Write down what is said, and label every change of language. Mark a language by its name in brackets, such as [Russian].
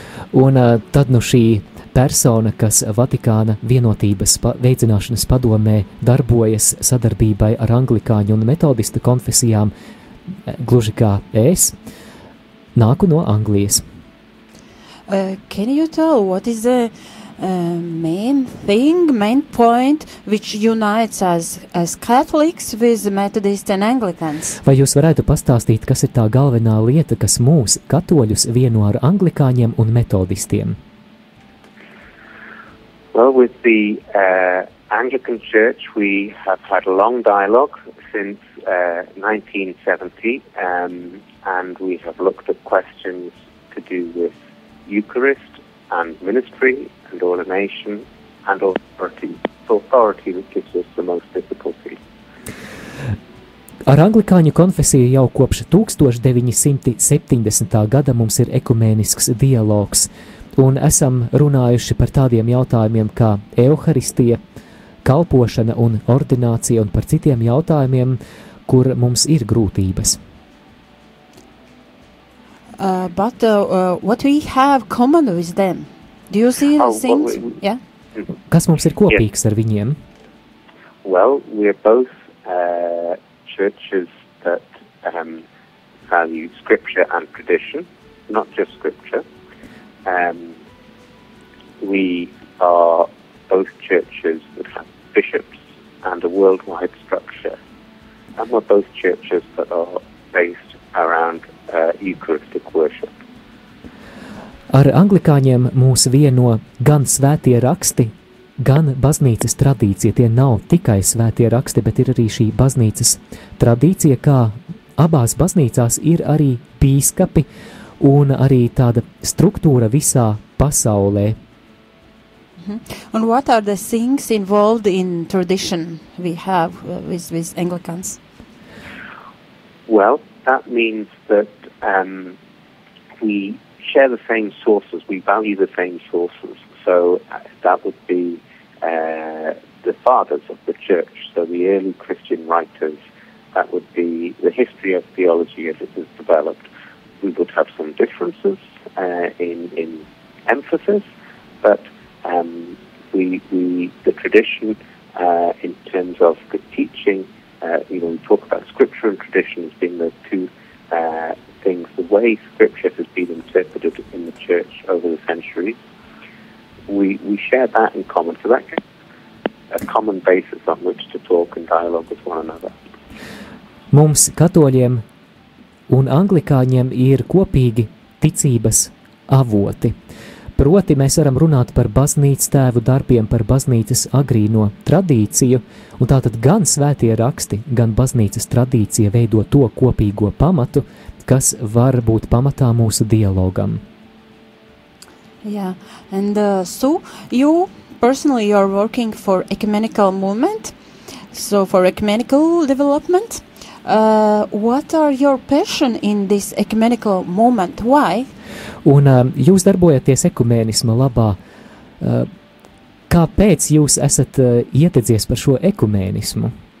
[Latvian] Un tad nu šī persona, kas Vatikāna vienotības veicināšanas padomē darbojas sadarbībai ar anglikāņu un metodistu konfesijām, gluži kā es, nāku no Anglijas. [English] Can you tell what is the main thing, main point, which unites us as Catholics with Methodists and Anglicans? [Latvian] Vai jūs varētu pastāstīt, kas ir tā galvenā lieta, kas mūs, katoļus, vieno ar anglikāņiem un metodistiem? [English] Well, with the Anglican Church, we have had a long dialogue since 1970, and we have looked at questions to do with Eucharist and ministry and ordination and authority. So authority gives us the most difficulty. [Latvian] Ar anglikāņu konfesiju jau kopš 1970. Gada mums ir ekumenisks dialogs. Un esam runājuši par tādiem jautājumiem kā euharistija, kalpošana un ordinācija un par citiem jautājumiem, kur mums ir grūtības. [English] What we have common with them? Do you see the things? [Latvian] Kas mums ir kopīgs ar viņiem? [English] Well, we are both churches that value scripture and tradition, not just scripture. We are both churches that have bishops and a worldwide structure. And we're both churches that are based around Eucharistic worship. [Latvian] Ar anglikāņiem mūs vieno gan svētie raksti, gan baznīcas tradīcija. Tie nav tikai svētie raksti, bet ir arī šī baznīcas tradīcija, kā abās baznīcās ir arī bīskapi un arī tāda struktūra visā pasaulē. Mm-hmm. [English] And what are the things involved in tradition we have with Anglicans? Well, that means that we share the same sources, we value the same sources. So that would be the fathers of the church, so the early Christian writers, that would be the history of theology as it was developed. We would have some differences in emphasis, but the tradition in terms of the teaching, we talk about scripture and tradition as being the two things, the way scripture has been interpreted in the church over the centuries. We share that in common, so that's a common basis on which to talk and dialogue with one another. [Latvian] Mums, katoļiem un anglikāņiem, ir kopīgi ticības avoti. Proti, mēs varam runāt par baznīcas tēvu darbiem, par baznīcas agrīno tradīciju, un tātad gan svētie raksti, gan baznīcas tradīcija veido to kopīgo pamatu, kas var būt pamatā mūsu dialogam. [English] Yeah, and so you personally are working for ecumenical movement, so for ecumenical development. What are your passion in this ecumenical movement? Why? [Latvian] Un jūs darbojaties ekumenisma labā. Kāpēc jūs esat ietedzies par šo ekumenismu?